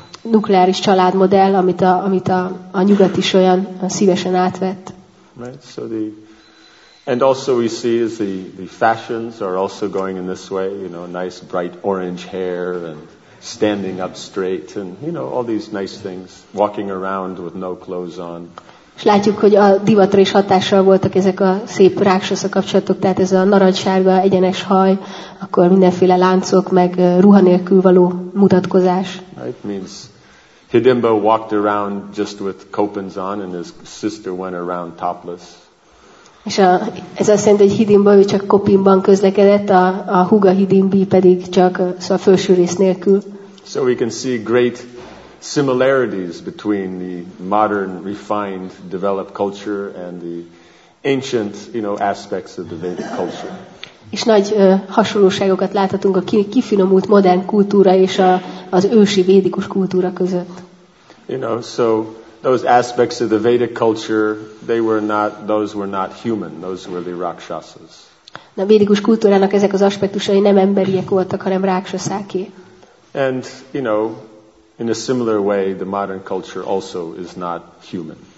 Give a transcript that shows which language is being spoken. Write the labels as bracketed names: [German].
[Hungarian] nukleáris családmodell, amit a nyugat is olyan szívesen átvett. [English] Right, so the and also we see is the fashions are also going in this way, you know, nice bright orange hair and standing up straight and, you know, all these nice things, walking around with no clothes on. [Hungarian] És látjuk, hogy a divatra is hatással voltak ezek a szép rákszosza kapcsolatok, tehát ez a narancssárga, egyenes haj, akkor mindenféle láncok, meg ruha nélkül való mutatkozás. [English] Right, means Hidimba walked around just with kopens on and his sister went around topless. [Hungarian] És ez azt jelenti, hogy Hidimba ő csak kopinban közlekedett, a húga Hidimbi pedig csak szóval felső rész nélkül. [English] So we can see great similarities between the modern, refined, developed culture and the ancient, you know, aspects of the Vedic culture. [Hungarian] És nagy hasonlóságokat láthatunk a kifinomult modern kultúra és az ősi védikus kultúra között. [English] You know, so those aspects of the Vedic culture, those were not human, those were the rakshasas. [Hungarian] A védikus kultúrának ezek az aspektusai nem emberiek voltak, hanem rákszoszáké. [English] And, you know, in a similar way, the modern culture also is not human.